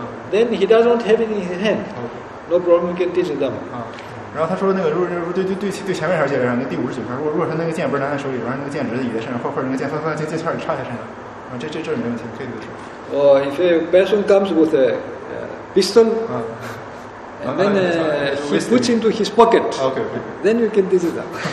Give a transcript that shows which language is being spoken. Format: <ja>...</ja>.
<en>Then he does not have it in his hand. No problem, you can teach them.</en> <zh>然后他说那个，如果他那个剑不是拿在手里，然后那个剑直的倚在身上，或者那个剑放在剑鞘里插在身上，这没问题，可以的。</zh> <en>Or if a person comes with a pistol, and then he puts into his pocket, then you can disarm.</en>